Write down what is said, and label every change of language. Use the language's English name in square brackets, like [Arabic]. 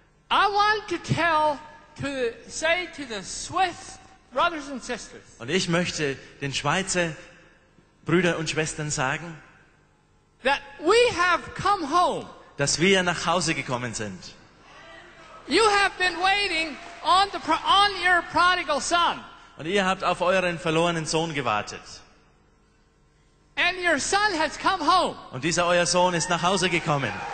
[English] I want to tell to say to the Swiss brothers and sisters. [German] Und ich möchte den Schweizer Brüdern und Schwestern sagen, [English] that we have come home. [German] Dass wir nach Hause gekommen sind. [English] You have been waiting on your prodigal son. [German] Und ihr habt auf euren verlorenen Sohn gewartet. [English] And your son has come home. [German] Und dieser euer Sohn ist nach Hause gekommen.